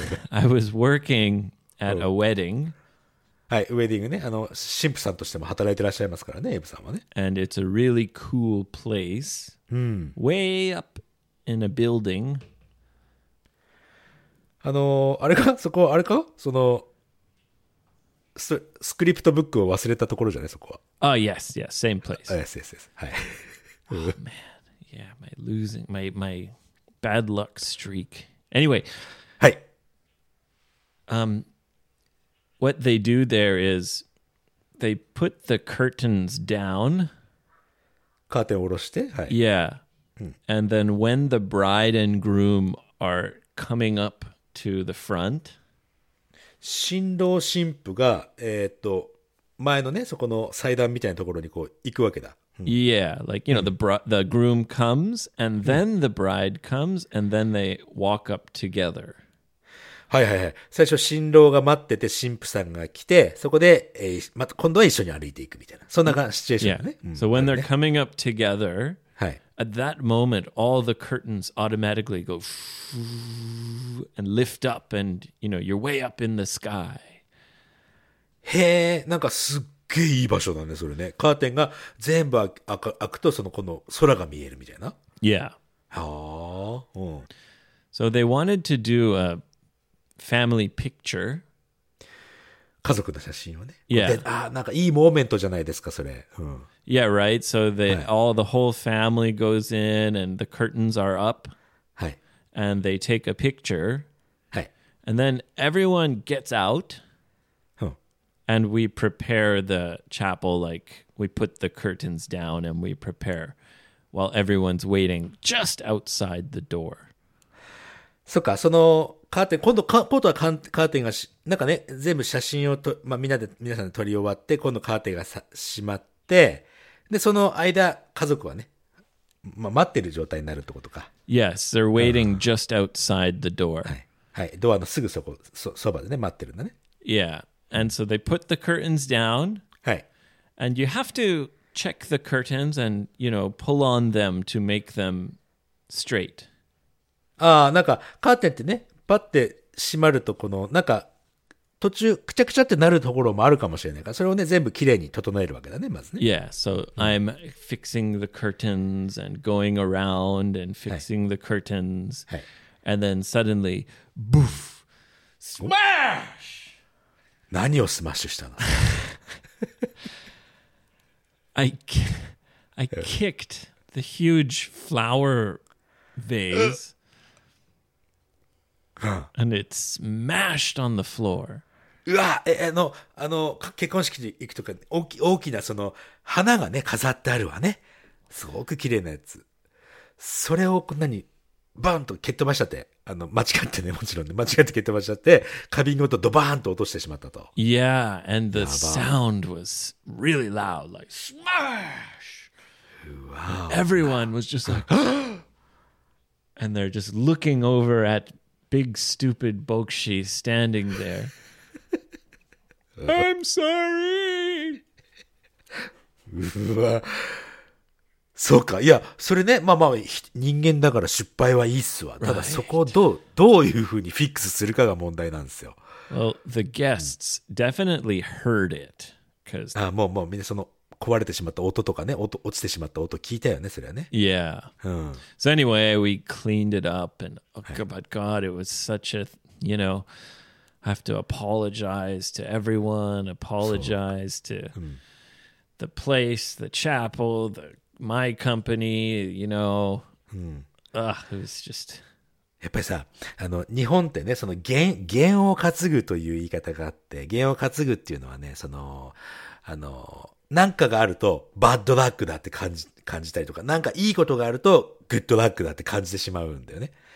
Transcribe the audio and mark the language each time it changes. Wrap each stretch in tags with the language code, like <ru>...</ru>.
<en>I was working at a wedding.</en> <ja>はい、ウェディングね、あの神父さんとしても働いてらっしゃいますからね、エイブさんはね。</ja> <en>And it's a really cool place. Way up in a building.</en> <ja>あの、あれか、そこあれか、その スクリプトブックを忘れたところじゃない、そこは。</ja> <en>Ah, yes, yes, same place. Yes, yes, yes. はい。 Oh man, yeah, my losing, my bad luck streak. Anyway.</en> <ja>はい。</ja> <en>What they do there is they put the curtains down.</en> <ja>カーテンを下ろして、はい。</ja> <en>Yeah. And then when the bride and groom are coming up to the front,</en> <ja>新郎新婦が、前のね、そこの祭壇みたいなところにこう行くわけだ。</ja> <en>Yeah, like, you know, the groom comes and then the bride comes and then they walk up together.</en> <ja>はいはいはい、最初新郎が待ってて新婦さんが来てそこで、また今度は一緒に歩いていくみたいなそんな感じシチュエーションだね。</ja> <en>Yeah. So when they're coming up together,、</en> <ja>はい、</ja> <en>at that moment, all the curtains automatically go and lift up and you know, you're way up in the sky.</en> <ja>へえ、なんかすっげえいい場所だねそれね。カーテンが全部開くとそのこの空が見えるみたいな。</ja> <en>Yeah.</en> <ja>はあ、うん。</ja> <en>So they wanted to do a family picture.</en> <ja>家族の写真をね。</ja> <en>Yeah.</en> <ja>あ、なんかいいモーメントじゃないですかそれ。うん。</ja> <en>Yeah, right. So they、はい、all the whole family goes in and the curtains are up.</en> <ja>はい。</ja> <en>And they take a picture.</en> <ja>はい。</ja> <en>And then everyone gets out.</en> <ja>うん。</ja> <en>And we prepare the chapel like we put the curtains down and we prepare while everyone's waiting just outside the door.</en> <ja>そっか、その。カーテン今度今度はカーテンがなんかね全部写真をと、まあ、みんなで皆さんで撮り終わって今度カーテンが閉まってでその間家族はね、まあ、待ってる状態になるってことか。</ja> <en>Yes, they're waiting just outside the door.</en> <ja>はい、はい、ドアのすぐそこそばでね待ってるんだね。</ja> <en>Yeah, and so they put the curtains down.</en> <ja>はい。</ja> <en>And you have to check the curtains and you know pull on them to make them straight.</en> <ja>ああなんかカーテンってね。パッて閉まるとこのなんか途中くちゃくちゃってなるところもあるかもしれないからそれをね全部きれいに整えるわけだねまずね。</ja> <en>Yeah, so I'm fixing the curtains and going around and fixing the curtains、</en> <ja>はい、</ja> <en>and then suddenly boof smash</en> <ja>何をスマッシュしたの。</ja> <en>I kicked the huge flower vase and it smashed on the floor.</en> <ja>うわ、あの結婚式に行くとか大きなその花がね飾ってあるわね。すごく綺麗なやつ。それをこんなにバーンと蹴っ飛ばしちゃって、あの間違ってねもちろんね間違って蹴っ飛ばしちゃって花瓶ごとドバーンと落としてしまったと。</ja> <en>Yeah, and the sound was really loud, like smash. Wow. Everyone was just like, and they're just looking over at. Big stupid Bokshi standing there. I'm sorry.</en> <ja>うわ。そうか。いや、それね、まあまあ、人間だから失敗はいいっすわ。ただそこをどういうふうにフィックスするかが問題なんですよ。</ja> <en>Well, the guests definitely heard it. Cause...</en> <ja>ああ、もうみんなその壊れてしまった音とかね、音、落ちてしまった音聞いたよね、それはね。</ja> <en>Yeah.、うん、so anyway, we cleaned it up and, oh, but God, it was such a, you know, I have to apologize to everyone, apologize to、うん、the place, the chapel, the my company, you know.、うん、it was just...</en> <ja>やっぱりさ、あの、日本ってね、その、弦を担ぐという言い方があって、弦を担ぐっていうのはね、その、あの、なんかがあると、バッドラックだって感じたりとか、なんかいいことがあると、グッドラックだって感じてしまうんだよね。</ja>